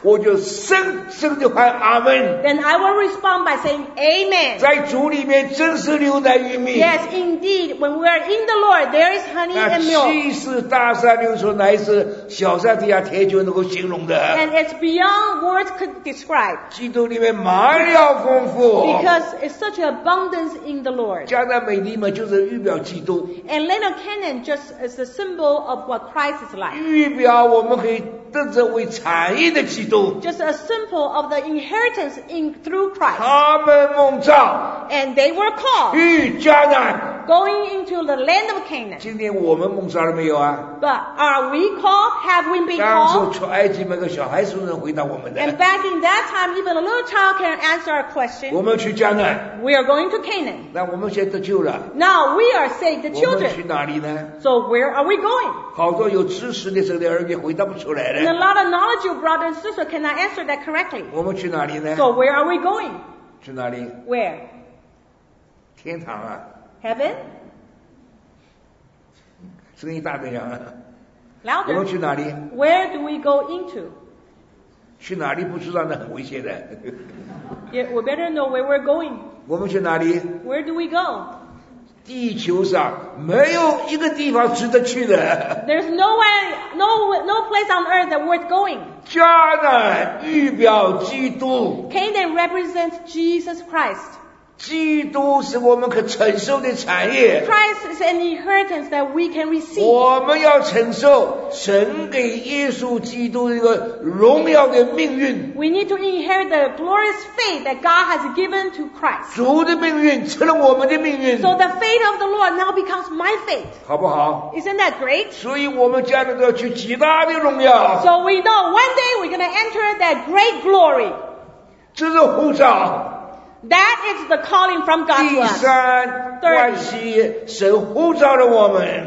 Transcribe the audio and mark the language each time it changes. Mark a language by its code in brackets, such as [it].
[zh] 我就深深地喊阿门 [en] Then I will respond by saying Amen. [zh] 在主里面真是牛奶玉米 [en] Yes, indeed. When we are in the Lord, there is honey and milk. [zh] 那既是大山流出奶，是小山底下甜酒能够形容的 [en] And it's beyond words could describe. [zh] 基督里面满了丰富 [en] Because it's such abundance in the Lord. [zh] 迦南美地嘛，就是预表基督 [en] And Land of Canaan just is a symbol of what Christ is like. [zh] 预表我们可以得这位产业的基督 [en] Just a symbol of the inheritance in through Christ. [zh] 他们蒙召 [en] And they were called. [zh] 去迦南 [en] Going into the land of Canaan. [zh] 今天我们蒙召了没有啊 [en] But are we called? Have we been called? [zh] 当初出埃及那个小孩子能回答我们的 [en] And back in that time, even a little child can answer our question. [zh] 我们去迦南 [en] We are going to Canaan. [zh] 那我们现在得救了 [en] Now we are saved, the children. [zh] 我们去哪里呢 [en] So where are we going? [zh] 好多有知识的神的儿女回答不出来了 [en] And a lot of knowledge, your brother and sister, cannot answer that correctly. [zh] 我们去哪里呢 [en] So where are we going? [zh] 去哪里 [en] Where? [zh] 天堂啊 [en] Heaven? [zh] 声音大点啊 [en] Louder. [zh] 我们去哪里 [en] Where do we go into? [zh] 去哪里不知道那很危险的 [en] Yeah, we better know where we're going. [zh] 我们去哪里 [en] Where do we go? [zh] 地球上没有一个地方值得去的。 [en] There's nowhere, no place on earth that worth going. [zh] 迦南预表基督。 [en] Canaan represents Jesus Christ. [zh] 基督是我们可承受的产业。 [en] Christ is an inheritance that we can receive. [zh] 我们要承受神给耶稣基督一个荣耀的命运。 [en] We need to inherit the glorious fate that God has given to Christ. [zh] 主的命运成了我们的命运。 [en] So the fate of the Lord now becomes my fate. [zh] 好不好？ [en] Isn't that great? [zh] 所以我们将来要去极大的荣耀。 [en] So we know one day we're going to enter that great glory. [zh] 这是呼召。 [en] That is the calling from God to us. [zh] 第三关系，神呼召了我们。